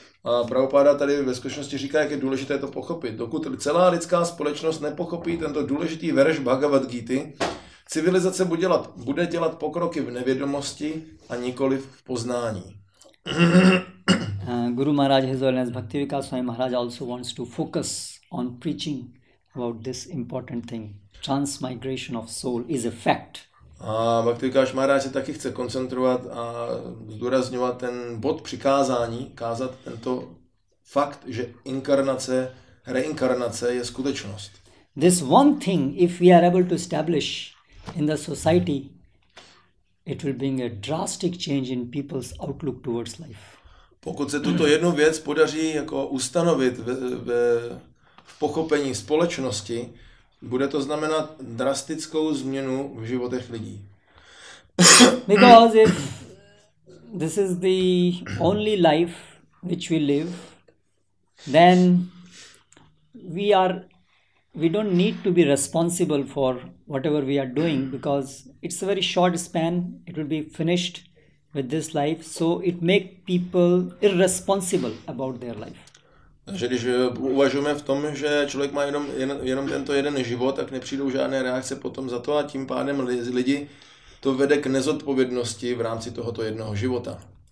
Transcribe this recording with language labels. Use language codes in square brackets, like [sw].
[cs] A Prabhupada tady ve skutečnosti říká, jak je důležité to pochopit. Dokud celá lidská společnost nepochopí tento důležitý verš Bhagavad Gita, civilizace bude dělat pokroky v nevědomosti a nikoli v poznání. [en] Guru Maharaj has learned Bhakti Vikas Swami Maharaj also wants to focus on preaching about this important thing. Transmigration of soul is a fact. [cs] A Bhakti Vikas Maharaj se taky chce koncentrovat a zdůrazňovat ten bod přikázání, kázat tento fakt, že inkarnace, reinkarnace je skutečnost. [en] This one thing, if we are able to establish in the society, it will bring a drastic change in people's outlook towards life. [cs] Pokud se tuto jednu věc podaří jako ustanovit v pochopení společnosti, bude to znamenat drastickou změnu v životech lidí. [en] Because if this is the only life which we live, then we don't need to be responsible for whatever we are doing, because it's a very short span, it will be finished with this life, so it make people irresponsible about their life. [cs] Takže když uvažujeme v tom, že člověk má jenom tento jeden život, tak nepřijdou žádné reakce potom za to a tím pádem lidi to vede k nezodpovědnosti v rámci tohoto jednoho života.